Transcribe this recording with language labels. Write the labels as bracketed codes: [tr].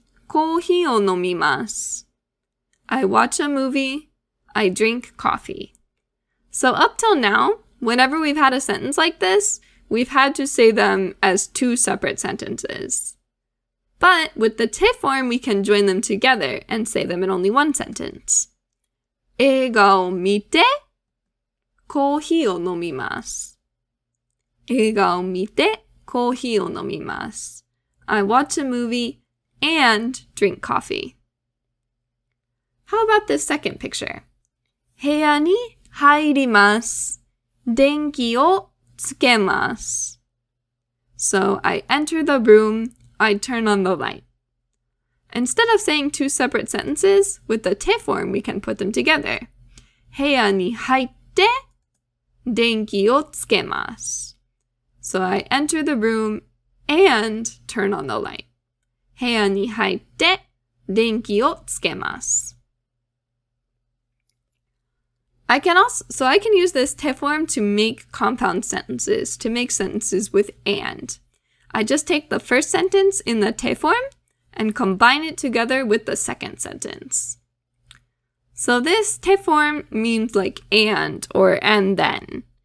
[ja] コーヒーを飲みます. [en] I watch a movie. I drink coffee. So up till now, whenever we've had a sentence like this, we've had to say them as two separate sentences. But with the te form, we can join them together and say them in only one sentence. [ja] 映画を見て、コーヒーを飲みます. 映画を見てコーヒーを飲みます。 [en] I watch a movie and drink coffee. How about the second picture? [ja] 部屋に入ります。電気をつけます。 [en] So I enter the room, I turn on the light. Instead of saying two separate sentences, with the te form, we can put them together. [ja] 部屋に入って電気をつけます。 [en] So I enter the room and turn on the light. [ja] 部屋に入って電気をつけます。 [en] I can also, so I can use this te form to make compound sentences, to make sentences with and. I just take the first sentence in the te form and combine it together with the second sentence. So this te form means like and or and then.